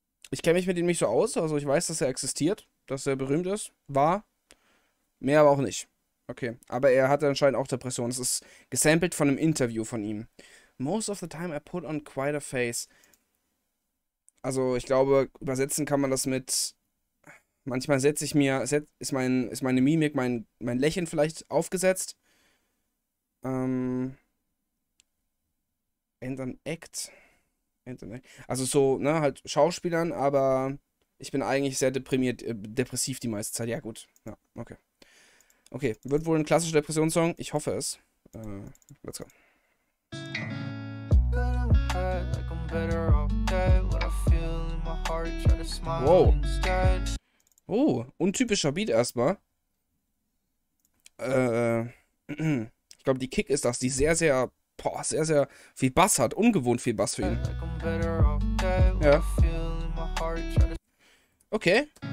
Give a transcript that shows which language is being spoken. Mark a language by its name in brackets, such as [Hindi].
[German] Ich kenne mich mit ihm nicht so aus, also ich weiß, dass er existiert, dass er berühmt ist. War. Mehr aber auch nicht. Okay, aber er hatte anscheinend auch Depressionen. Es ist gesampelt von einem Interview von ihm. [English] Most of the time I put on quite a face. [German] Also, ich glaube, übersetzen kann man das mit. Manchmal setze ich mir. Ist meine Mimik, mein Lächeln vielleicht aufgesetzt? [English] End an Act. End an Act. [German] Also, so, ne, halt Schauspielern, aber ich bin eigentlich sehr deprimiert, depressiv die meiste Zeit. Ja, gut. Ja, okay. Okay, wird wohl ein klassischer Depressionssong. Ich hoffe es. [English] Let's go. Like I'm better off dead, what I feel in my heart. Wow. [German] Oh, untypischer Beat erstmal. Ich glaube, die Kick ist das, die sehr, sehr, boah, sehr, sehr viel Bass hat. Ungewohnt viel Bass für ihn. Ja. Okay.